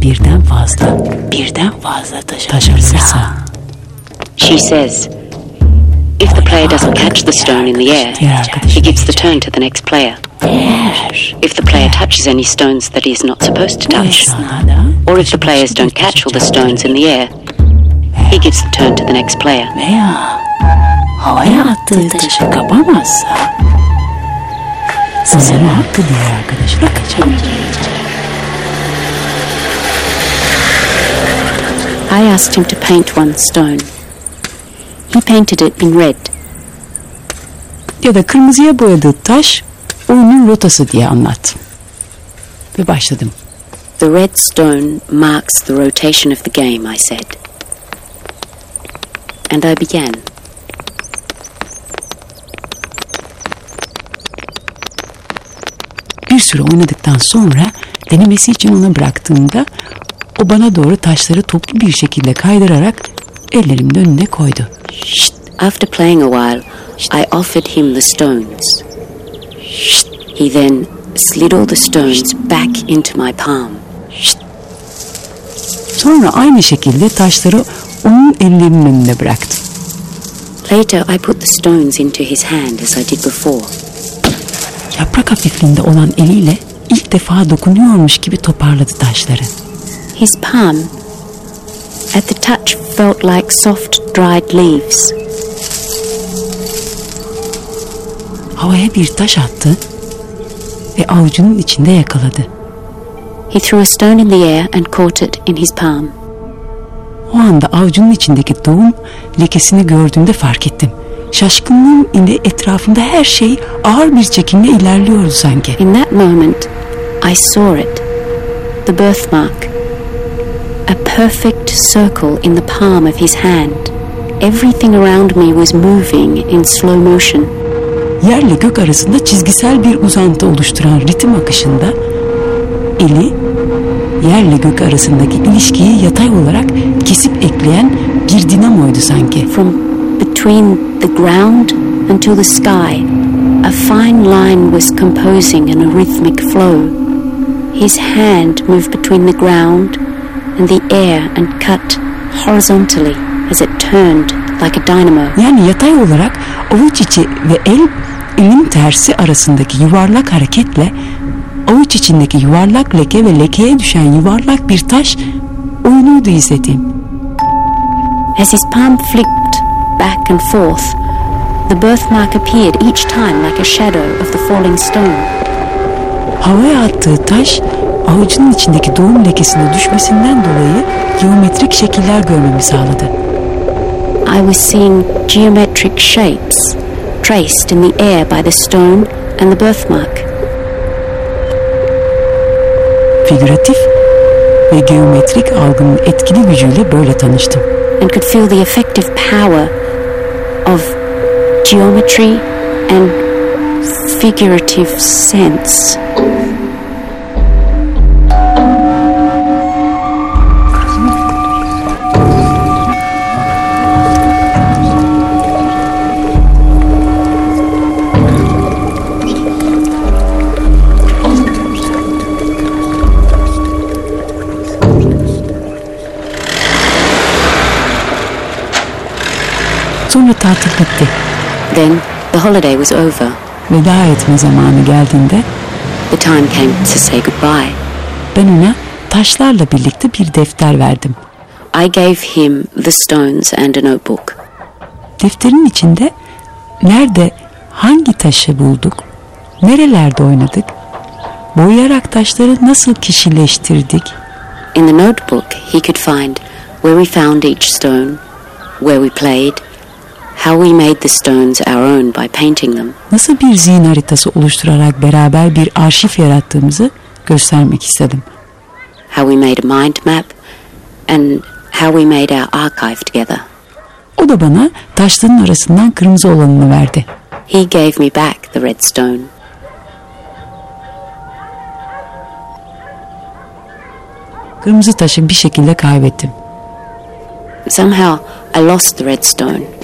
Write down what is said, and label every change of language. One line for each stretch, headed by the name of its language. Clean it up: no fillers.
Turkish: birden fazla taş alırsa.
English: She says, If the player doesn't catch the stone in the air, he gives the turn to the next player. If the player touches any stones that he is not supposed to touch, or if the players don't catch all the stones in the air, he gives the turn to the next player. I asked him to paint one stone. He painted it in red.
Turkish: Ya da kırmızıya boyadığı taş oyunun rotası diye anlat. Ve başladım.
English: The red stone marks the rotation of the game, I said. And I began.
Turkish: Bir süre oynadıktan sonra denemesi için ona bıraktığımda o bana doğru taşları toplu bir şekilde kaydırarak ellerimin önüne koydu. Şşt.
English: After playing a while, I offered him the stones. Şşt. He then slid all the stones back into my palm. Şşt.
Turkish: Sonra aynı şekilde taşları onun ellerinin önüne bıraktım.
English: Later I put the stones into his hand as I did before.
Turkish: Yaprak hafifliğinde olan eliyle ilk defa dokunuyormuş gibi toparladı taşları.
English: His palm, at the touch, felt like soft, dried leaves.
Turkish: Havaya bir taş attı ve avucunun içinde yakaladı.
English: He threw a stone in the air and caught it in his palm.
Turkish: O anda avucunun içindeki doğum lekesini gördüğümde fark ettim. Şaşkınlığım ile etrafımda her şey ağır bir çekimle ilerliyordu sanki.
English: In that moment, I saw it, the birthmark. A perfect circle in the palm of his hand. Everything around me was moving in slow motion.
Turkish: Yerle gök arasında çizgisel bir uzantı oluşturan ritim akışında eli yerle gök arasındaki ilişkiyi yatay olarak kesip ekleyen bir dinamoydu sanki.
English: From between the ground until the sky, a fine line was composing in a rhythmic flow. His hand moved between the ground and the air and cut horizontally as it turned like a dynamo.
Turkish: Yani yatay olarak avuç içi ve elin tersi arasındaki yuvarlak hareketle avuç içindeki yuvarlak leke ve lekeye düşen yuvarlak bir taş oynuyordu izlediğim.
English: As his palm flicked back and forth, the birthmark appeared each time like a shadow of the falling stone.
Turkish: Havaya attığı taş avucunun içindeki doğum lekesine düşmesinden dolayı geometrik şekiller görmemi sağladı.
English: I was seeing geometric shapes traced in the air by the stone and the birthmark.
Turkish: Figüratif ve geometrik algının etkili gücüyle böyle tanıştım.
English: And could feel the effective power of geometry and figurative sense.
Turkish: Sonra tatil bitti.
English: Then the holiday was over.
Turkish: Veda etme zamanı geldiğinde
English: the time came to say goodbye.
Turkish: Ben ona taşlarla birlikte bir defter verdim.
English: I gave him the stones and a notebook.
Turkish: Defterin içinde nerede hangi taşı bulduk, nerelerde oynadık, boyayarak taşları nasıl kişileştirdik.
English: In the notebook he could find where we found each stone, where we played, how we made the stones our own by painting them.
Turkish: Nasıl bir zihin haritası oluşturarak beraber bir arşiv yarattığımızı göstermek istedim.
English: How we made a mind map and how we made our archive together.
Turkish: O da bana taşların arasından kırmızı olanını verdi.
English: He gave me back the red stone.
Turkish: Kırmızı taşı bir şekilde kaybettim.
English: Somehow I lost the red stone.